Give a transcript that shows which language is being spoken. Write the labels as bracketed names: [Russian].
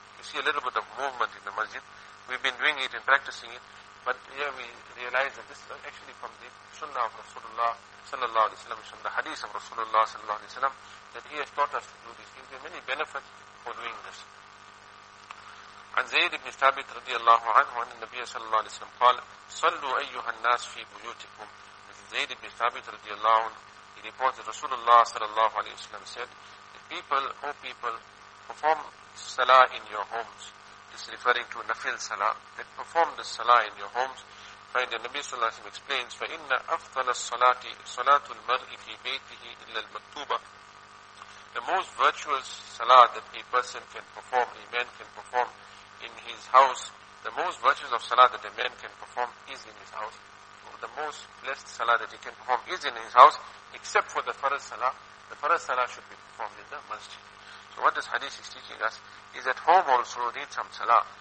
[English] You see a little bit of movement in the Masjid. We've been doing it and practicing it, but here we realize that this is actually from the Sunnah of Rasulullah sallallahu alaihi wasallam, from the Hadith of Rasulullah sallallahu alaihi wasallam, that he has taught us to do this. There are many benefits for doing this. [Arabic] عن زيد بن ثابت رضي الله عنه عن النبي صلى الله عليه وسلم قال صلوا أيها الناس في بيوتكم. [English] زيد بن ثابت رضي الله عنه, he reported Rasulullah sallallahu alayhi wa sallam said, the people, O people, perform salah in your homes. This is referring to nafil salah. That perform the salah in your homes. Find the Nabi sallallahu alayhi wa sallam explains, [Arabic] فَإِنَّ أَفْضَلَ الصَّلَاةِ صَلَاةُ الْمَرْءِ فِي بَيْتِهِ إِلَّا الْمَكْتُوبَةِ. [English] The most virtuous salah that a person can perform, a man can perform in his house, the most virtuous of salah that a man can perform is in his house. The most blessed salah that he can perform is in his house, except for the Faraz Salah. The Faraz Salah should be performed in the masjid. So what this hadith is teaching us is at home also need some salah.